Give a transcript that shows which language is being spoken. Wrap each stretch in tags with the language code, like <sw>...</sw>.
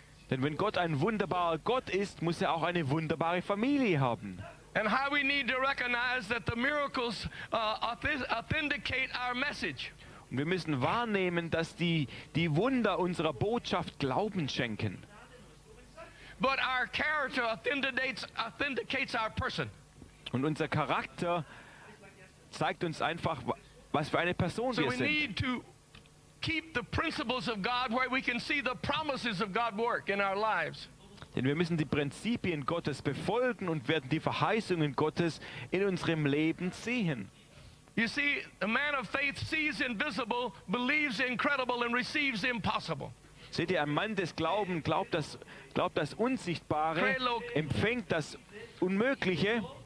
<de>Denn wenn Gott ein wunderbarer Gott ist, muss er auch eine wunderbare Familie haben.</de> <en>And how we need to recognize that the miracles authenticate our message.</en> <de>Und wir müssen wahrnehmen, dass die Wunder unserer Botschaft Glauben schenken.</de> <en>But our character authenticates our person.</en> <de>Und unser Charakter zeigt uns einfach, was für eine Person wir sind.</de> <en>So we need to keep the principles of God where we can see the promises of God work in our lives.</en> <de>Denn wir müssen die Prinzipien Gottes befolgen und werden die Verheißungen Gottes in unserem Leben sehen.</de> <en>You see, a man of faith sees invisible, believes incredible and receives impossible.</en> <de>Seht ihr, ein Mann des Glaubens glaubt das Unsichtbare, empfängt das Unmögliche.</de>